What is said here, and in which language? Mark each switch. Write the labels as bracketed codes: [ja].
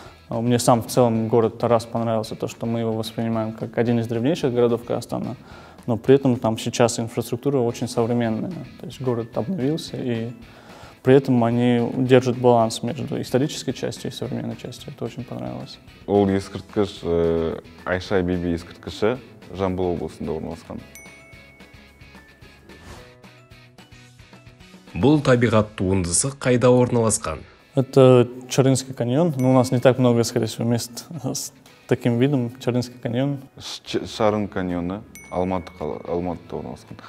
[ru] Мне сам в целом город Тарас понравился, то, что мы его воспринимаем как один из древнейших городов Казахстана, но при этом там сейчас инфраструктура очень современная, то есть город обновился, и при этом они держат баланс между исторической частью и современной частью. Это очень понравилось. [kk] Ол ескерткіш, Айша Биби ескерткіші, Жамбыл облысында орналасқан. Бұл табиғат туындысы қайда орналасқан? [ru] Это Чаринский каньон. Ну, у нас не так много, скорее всего, мест с таким видом. Чаринский каньон. [kk] Шарын каньоны Алматыда орналасқан.